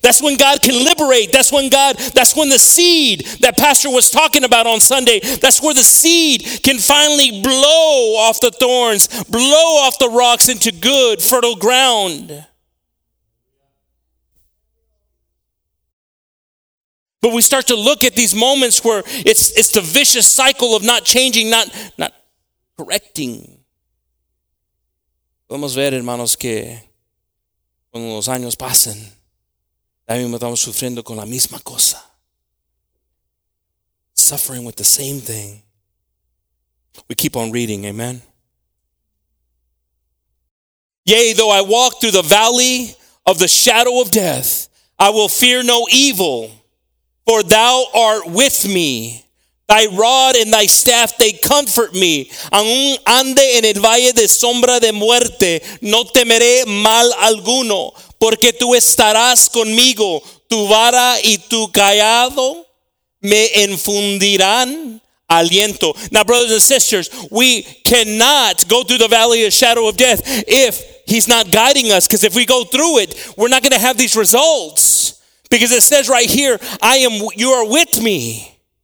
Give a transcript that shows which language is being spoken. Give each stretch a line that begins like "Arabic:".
English: That's when God can liberate. That's when God, that's when the seed that Pastor was talking about on Sunday, that's where the seed can finally blow off the thorns, blow off the rocks into good, fertile ground. But we start to look at these moments where it's the vicious cycle of not changing, not correcting.
Spanish: Podemos ver, hermanos, que cuando los años pasan, también estamos sufriendo con la misma cosa.
English: Suffering with the same thing. We keep on reading, amen? Yea, though I walk through the valley of the shadow of death, I will fear no evil, for thou art with me. Thy rod and thy staff, they comfort me.
Spanish: Aun ande en el valle de sombra de muerte, no temeré mal alguno, porque tú estarás conmigo. Tu vara y tu callado me infundirán aliento.
English: Now, brothers and sisters, we cannot go through the valley of shadow of death if he's not guiding us, because if we go through it, we're not going to have these results. Because it says right here, you are with me.